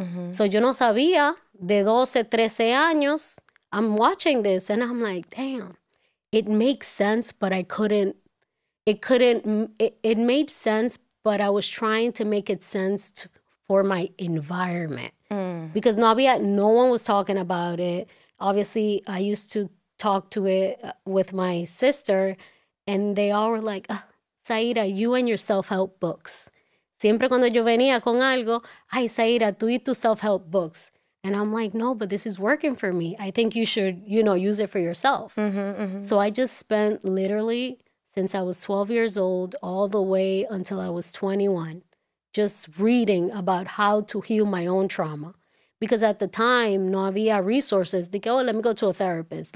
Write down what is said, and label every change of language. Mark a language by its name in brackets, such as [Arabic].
[English] So [Spanish] yo no sabía, de 12, 13 años, [English] I'm watching this and I'm like, damn, it makes sense, but I couldn't, it couldn't, it made sense, but I was trying to make it sense to, for my environment. Because no one was talking about it. Obviously, I used to talk to it with my sister, and they all were like, Zaira, you and your self-help books. [Spanish] Siempre cuando yo venía con algo, ay, Zaira, tú y tus self-help books. [English] And I'm like, no, but this is working for me. I think you should, use it for yourself. So I just spent literally since I was 12 years old all the way until I was 21, just reading about how to heal my own trauma. Because at the time, [Spanish] no había [English] resources. They go, oh, let me go to a therapist.